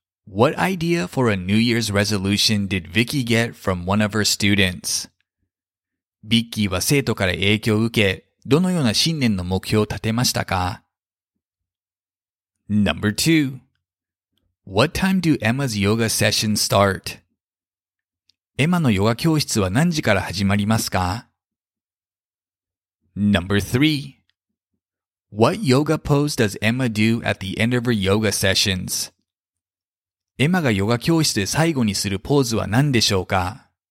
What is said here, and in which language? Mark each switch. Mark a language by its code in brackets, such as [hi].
[en] What idea for a New Year's resolution did Vicky get from one of her students? [ja] ビッキーは生徒から影響を受け、どのような新年の目標を立てましたか？ [en] Number two. What time do Emma's yoga session start? [ja] エマのヨガ教室は何時から始まりますか？ [en] Number three. What yoga pose does Emma do at the end of her yoga sessions? [ja] エマがヨガ教室で最後にするポーズは何でしょうか?